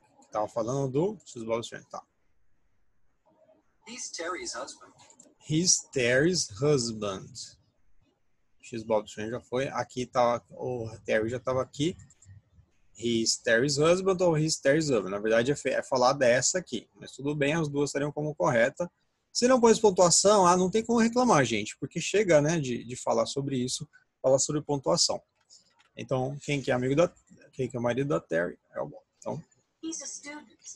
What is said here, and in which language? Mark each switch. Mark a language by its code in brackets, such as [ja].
[pt] Tava falando do [en] She's Bob's friend, [pt] tá. [en] He's Terry's husband. He's Terry's husband. She's Bob's friend [pt] já foi. Aqui tá, o Terry já tava aqui. [en] He's Terry's husband [pt] ou [en] he's Terry's husband. [pt] Na verdade, é falar dessa aqui. Mas tudo bem, as duas estariam como correta. Se não pôs pontuação, não tem como reclamar, gente. Porque chega, né, de falar sobre isso, falar sobre pontuação. Então, quem que é marido da Terry? É o Bob. [en] He's a student.